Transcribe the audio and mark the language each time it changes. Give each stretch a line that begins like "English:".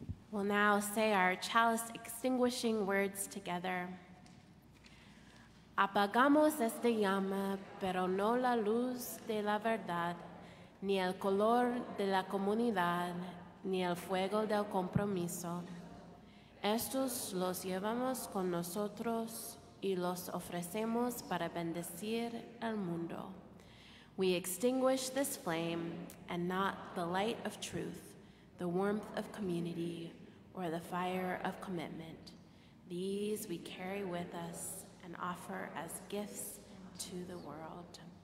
English: We'll now say our chalice extinguishing words together.
Spanish: Apagamos esta llama, pero no la luz de la verdad, ni el color de la comunidad, ni el fuego del compromiso. Estos los llevamos con nosotros y los ofrecemos para bendecir el mundo.
English: We extinguish this flame and not the light of truth, the warmth of community, or the fire of commitment. These we carry with us and offer as gifts to the world.